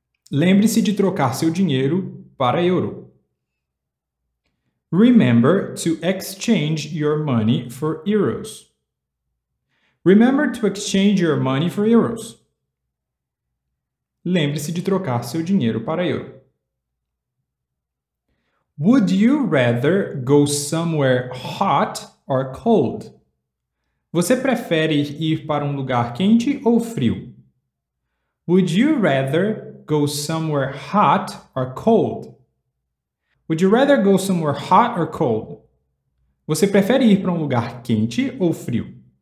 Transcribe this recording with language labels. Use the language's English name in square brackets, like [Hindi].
[Portuguese] Lembre-se de trocar seu dinheiro para euro. [English] Remember to exchange your money for euros. Remember to exchange your money for euros. [Portuguese] Lembre-se de trocar seu dinheiro para euro. [English] Would you rather go somewhere hot or cold? [Portuguese] Você prefere ir para um lugar quente ou frio? [English] Would you rather go somewhere hot or cold? Would you rather go somewhere hot or cold? [Portuguese] Você prefere ir para um lugar quente ou frio?